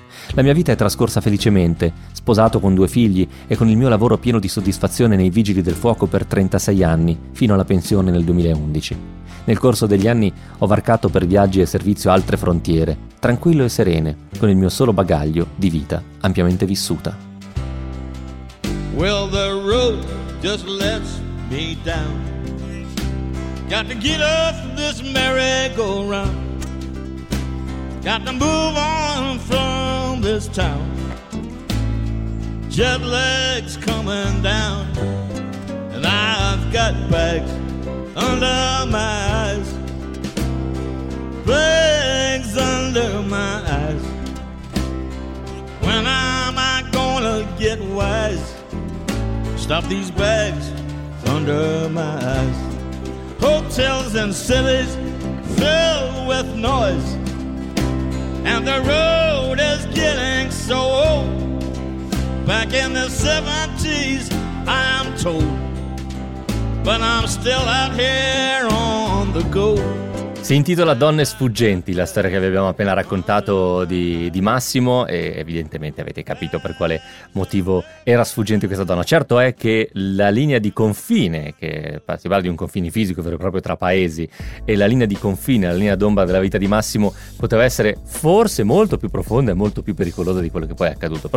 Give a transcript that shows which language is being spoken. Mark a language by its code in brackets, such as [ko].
[it] La mia vita è trascorsa felicemente, sposato con due figli e con il mio lavoro pieno di soddisfazione nei vigili del fuoco per 36 anni, fino alla pensione nel 2011. Nel corso degli anni ho varcato per viaggi e servizio altre frontiere, tranquillo e serene, con il mio solo bagaglio di vita ampiamente vissuta. [en] Well, the road just lets me down. Got to get off this merry-go-round. Got to move on from this town. Jet lag's coming down. And I've got bags under my eyes. Bags under my eyes. When am I gonna get wise? Stop these bags under my eyes. Hotels and cities filled with noise. And the road is getting so old. Back in the 70s, I am told. but I'm still out here on the go. [it] Si intitola Donne sfuggenti, la storia che vi abbiamo appena raccontato di Massimo, e evidentemente avete capito per quale motivo era sfuggente questa donna. Certo è che la linea di confine, che si parla di un confine fisico vero e proprio tra paesi, e la linea di confine, la linea d'ombra della vita di Massimo, poteva essere forse molto più profonda e molto più pericolosa di quello che poi è accaduto.